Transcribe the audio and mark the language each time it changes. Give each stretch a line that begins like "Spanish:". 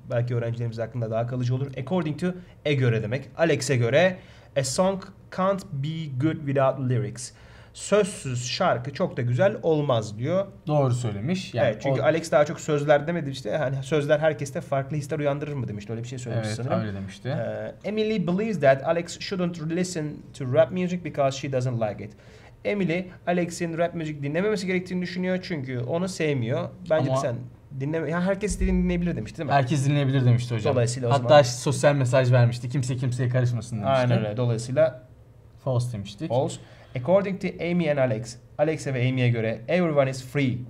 Turkish: Belki öğrencilerimiz hakkında daha kalıcı olur.
English: According to,
Turkish: e göre demek. Alex'e göre,
English: a song can't be good without lyrics.
Turkish: Sözsüz şarkı çok da güzel olmaz diyor. Doğru söylemiş. Yani evet, çünkü Alex daha çok sözler demedi işte. Hani sözler herkeste farklı hisler uyandırır mı demişti. Öyle bir şey söylemiş evet, sanırım. Evet, öyle demişti.
English: Emily believes that Alex shouldn't listen to rap music because she doesn't like it.
Turkish: Emily, Alex'in rap müzik dinlememesi gerektiğini düşünüyor çünkü onu sevmiyor. Bence sen dinleme, ya herkes dediğini dinleyebilir demişti değil mi? Herkes dinleyebilir demişti hocam. Dolayısıyla o hatta zaman... sosyal mesaj vermişti. Kimse kimseye karışmasın demişti. Aynen öyle. Dolayısıyla false demiştik.
English: False. According to Amy and Alex,
Turkish: Alex'e ve Amy'ye göre
English: everyone is free.